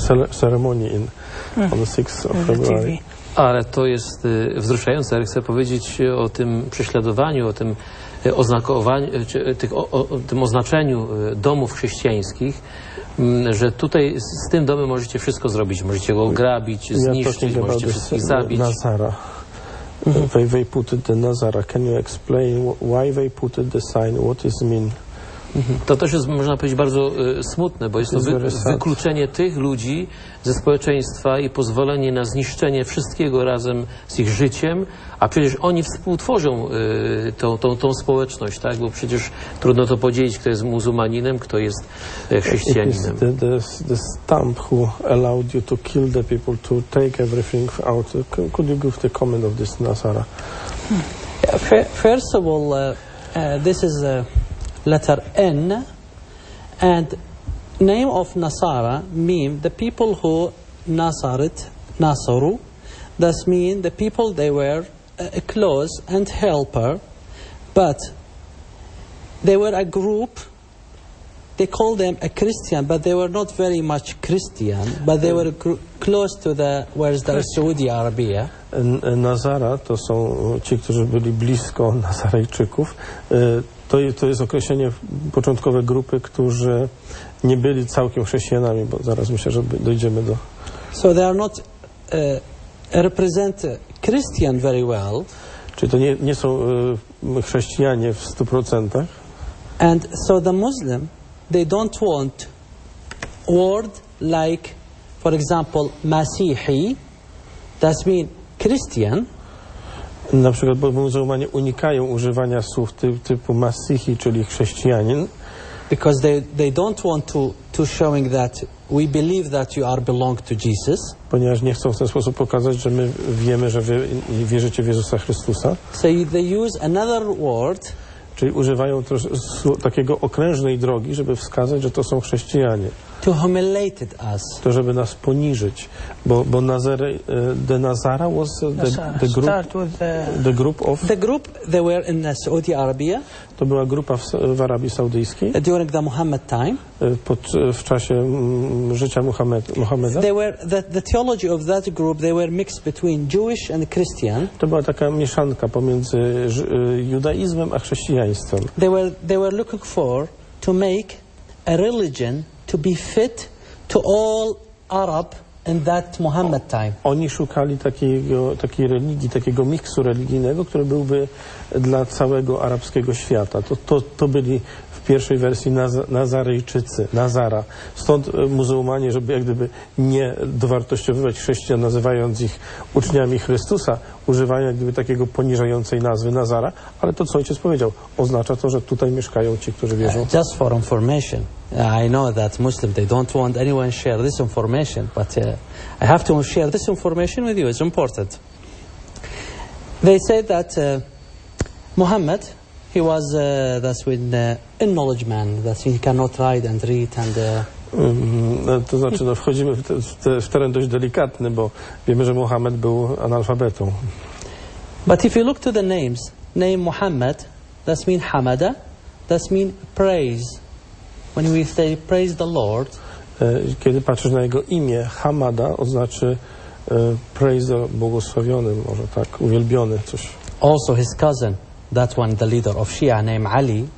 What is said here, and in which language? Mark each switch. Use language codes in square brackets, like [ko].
[en] Ceremony on the 6th of February. [pl] Ale to jest wzruszające. Chcę powiedzieć o tym prześladowaniu, o tym oznakowaniu, tym oznaczeniu domów chrześcijańskich, że tutaj z tym domem możecie wszystko zrobić. Możecie go ograbić, zniszczyć, możecie wszystkich zabić. [en] Nazara. They put it in Nazara. Can you explain why they put it the sign? What does it mean? [pl] To też jest, można powiedzieć, bardzo smutne, bo jest to wykluczenie tych ludzi ze społeczeństwa i pozwolenie na zniszczenie wszystkiego razem z ich życiem, a przecież oni współtworzą tą społeczność, tak? Bo przecież trudno to podzielić, kto jest muzułmaninem, kto jest chrześcijaninem. [en] The stamp who allowed you to kill the people, to take everything out. Could you give the comment of this, Nazara? First of all, this is letter N, and name of Nasara mean the people who Nasarit, Nasaru, thus mean the people they were a close and helper, but they were a group, they call them a Christian, but they were not very much Christian, but they were close to the, where's the Saudi Arabia. [pl] Nazara to są ci, którzy byli blisko Nazarejczyków. To jest określenie początkowe grupy, którzy nie byli całkiem chrześcijanami, bo zaraz myślę, że dojdziemy do... [en] So they are not represent Christian very well. [pl] Czyli to nie są chrześcijanie w 100%. [en] And so the Muslim, they don't want word like, for example, Masihi, that mean Christian. [pl] Na przykład, bo muzułmanie unikają używania słów typu Masihi, czyli chrześcijanin. [en] Because they don't want to showing that we believe that you are belong to Jesus. [pl] Ponieważ nie chcą w ten sposób pokazać, że my wiemy, że wy wierzycie w Jezusa Chrystusa. [en] So they use another word. [pl] Czyli używają takiego okrężnej drogi, żeby wskazać, że to są chrześcijanie. [en] To humiliate us. [pl] To, żeby nas poniżyć. Bo [en] Nazare, the Nazara was the group. Start with the group of. The group they were in Saudi Arabia. [pl] To była grupa w Arabii Saudyjskiej. [en] During the Muhammad time. [pl] W czasie życia Muhammada. [en] They were the theology of that group. They were mixed between Jewish and Christian. [pl] To była taka mieszanka pomiędzy judaizmem a chrześcijaństwem. [en] They were looking for to make a religion to be fit to all Arab in that Muhammad time. [pl] Oni szukali takiej religii, takiego miksu religijnego, który byłby dla całego arabskiego świata. To byli w pierwszej wersji Nazarejczycy, Nazara. Stąd muzułmanie, żeby jak gdyby nie dowartościowywać chrześcijan, nazywając ich uczniami Chrystusa, używają jak gdyby takiego poniżającej nazwy Nazara, ale to, co ojciec powiedział, oznacza to, że tutaj mieszkają ci, którzy wierzą. [en] Just for information. I know that Muslims, they don't want anyone share this information, but I have to share this information with you. It's important. They say that Muhammad, he was that's with a knowledge man, that he cannot write and read and... [pl] To znaczy, no, wchodzimy w teren dość delikatny, bo wiemy, że Muhammad był analfabetą. [en] But if you look to the names, name Muhammad, that's mean Hamada, that's mean praise. When we say praise the Lord, [pl] kiedy patrzysz na jego imię, Hamada oznacza [en] praise the [pl] błogosławiony, może tak, uwielbiony coś. [en] Also his cousin, That's when the leader of Shia named Ali.